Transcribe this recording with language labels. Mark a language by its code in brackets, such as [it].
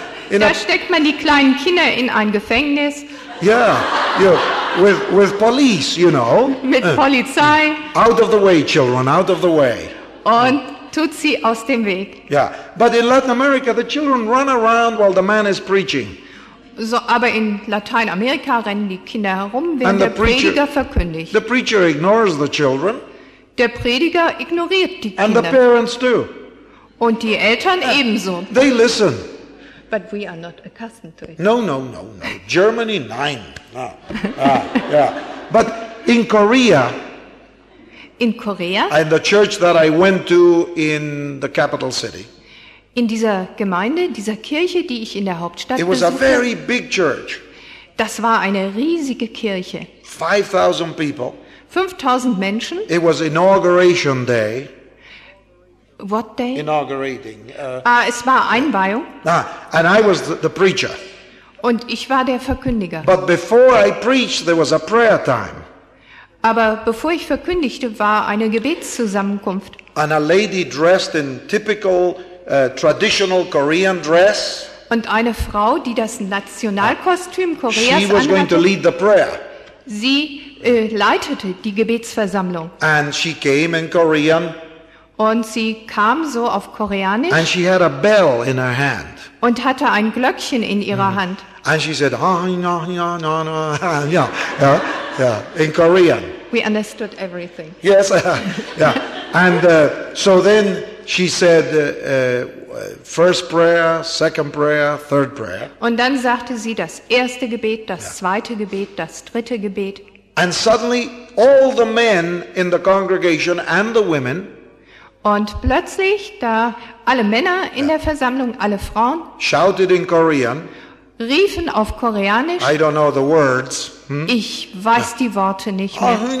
[de] Da steckt man die kleinen Kinder in ein Gefängnis. [en] Yeah, you know, with police, you know. [de] Mit Polizei. [en] Out of the way, children, out of the way. [de] Und tut sie aus dem Weg. [en] Yeah, but in Latin America, the children run around while the man is preaching. [de] So, aber in Lateinamerika rennen die Kinder herum, wenn der Prediger verkündigt. [en] The preacher ignores the children. [de] Der Prediger ignoriert die Kinder. [en] And the parents too. [de] Und die Eltern ebenso. [en] They listen. But we are not accustomed to it. No. Germany, nein. Yeah. But in Korea. [de] In Korea. [en] In the church that I went to in the capital city. [de] In dieser Gemeinde, dieser Kirche, die ich in der Hauptstadt besuchte. [en] It was a very big church. [de] Das war eine riesige Kirche. [en] 5,000 people. [de] 5,000 Menschen. [en] It was inauguration day. What day? Inaugurating. [de] Es war Einweihung. [en] And I was the preacher. [de] Und ich war der Verkündiger. [en] But before I preached, there was a prayer time. [de] Aber bevor ich verkündigte, war eine Gebetszusammenkunft. [en] And a lady dressed in typical traditional Korean dress. [de] Und eine Frau, die das Nationalkostüm Koreas anhatte. [en] She was going to lead the prayer. [de] Sie leitete die Gebetsversammlung. [en] And she came in Korean. [de] Und sie kam so auf Koreanisch. [en] And she had a bell in her hand. [de] Und hatte ein Glöckchen in ihrer Hand. [en] And she said, oh, yeah, yeah, yeah, yeah, yeah, in Korean. We understood everything. Yes, yeah. And so then she said, first prayer, second prayer, third prayer. [de] Und dann sagte sie das erste Gebet, das zweite Gebet, das dritte Gebet. [en] And suddenly all the men in the congregation and the women. [de] Und plötzlich, da alle Männer in der Versammlung, alle Frauen, [en] shouted in Korean, [de] riefen auf Koreanisch, [en] I don't know the words. [de] Ich weiß die Worte nicht mehr.